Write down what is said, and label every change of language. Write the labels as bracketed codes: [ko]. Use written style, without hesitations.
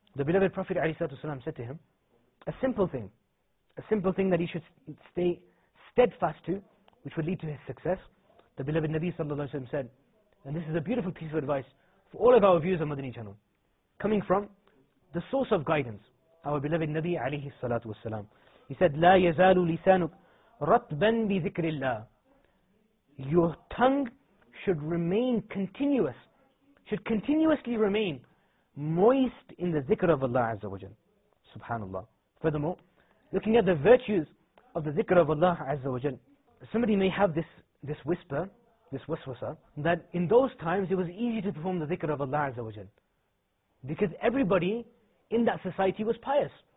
[en] The beloved Prophet ﷺ said to him, a simple thing that he should stay steadfast to, which would lead to his success. The beloved Nabi ﷺ said, and this is a beautiful piece of advice for all of our viewers of Madani Channel, coming from the source of guidance, our beloved Nabi ﷺ. He said, [ar] لا يزال لسانك رطبا بذكر الله. [en] Your tongue should remain continuous, should continuously remain moist in the dhikr of Allah Azza wa Jal. Subhanallah. Furthermore, looking at the virtues of the dhikr of Allah Azza wa Jal, somebody may have this whisper, this waswasa, that in those times it was easy to perform the dhikr of Allah Azza wa Jal, because everybody in that society was pious.